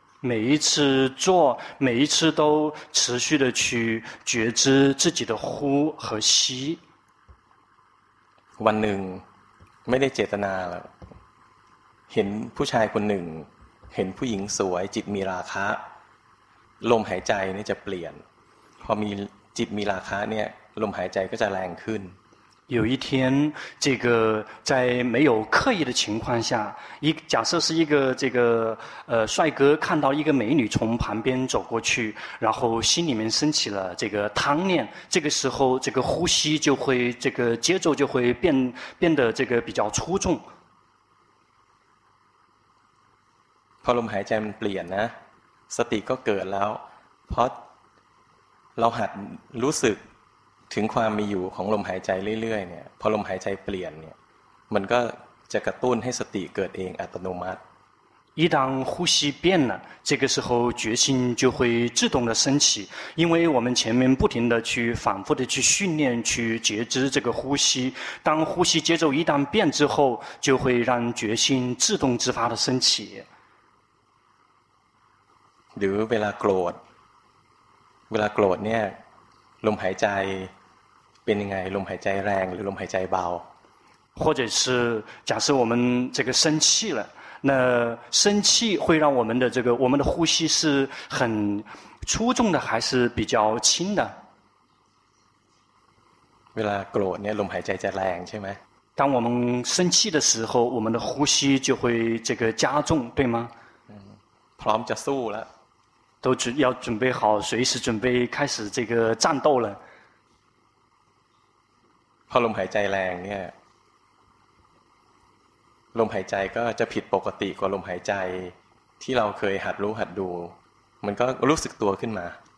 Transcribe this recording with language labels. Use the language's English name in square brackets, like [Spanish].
[Chinese] 每一次坐每一次都持续的去觉知自己的呼和吸 [Thai] วันหนึ่งไม่ได้เจตนาหรอกเห็นผู้ชายคนหนึ่งเห็นผู้หญิงสวยจิตมีราคะ ลมหายใจจะเปลี่ยนพอมีจิตมีราคะเนี่ยลมหายใจก็จะแรงขึ้น [Chinese] 有一天，这个在没有刻意的情况下，一假设是一个这个帅哥看到一个美女从旁边走过去，然后心里面升起了这个贪念，这个时候这个呼吸就会这个节奏就会变得这个比较粗重。 [Thai] พอลมหายใจมันเปลี่ยนนะสติก็เกิดแล้วเพราะเราหัดรู้สึกถึงความมีอยู่ของลมหายใจเรื่อยๆเนี่ยพอลมหายใจเปลี่ยนเนี่ยมันก็จะกระตุ้นให้สติเกิดเองอัตโนมัติ [Chinese] 一旦呼吸变了，这个时候决心就会自动的升起，因为我们前面不停的去反复的去训练去觉知这个呼吸，当呼吸节奏一旦变之后，就会让决心自动自发的升起。 [Thai] หรือเวลาโกรธเนี่ยลมหายใจเป็นยังไงลมหายใจแรงหรือลมหายใจเบา [Chinese] 或者是假设我们这个生气了那生气会让我们的这个我们的呼吸是很粗重的还是比较轻的 [Thai] เวลาโกรธเนี่ยลมหายใจจะแรงใช่ไหม [Chinese] 当我们生气的时候我们的呼吸就会这个加重对吗 [Thai] พร้อมจะสู้แล้ว ต้องจะ [Chinese] 準備好隨時準備開始這個戰鬥了 [Thai] พอลมหายใจแรงเนี่ยลมหายใจก็จะผิดปกติกว่าลมหายใจที่เราเคยหัดรู้หัดดูมันก็รู้สึกตัวขึ้นมา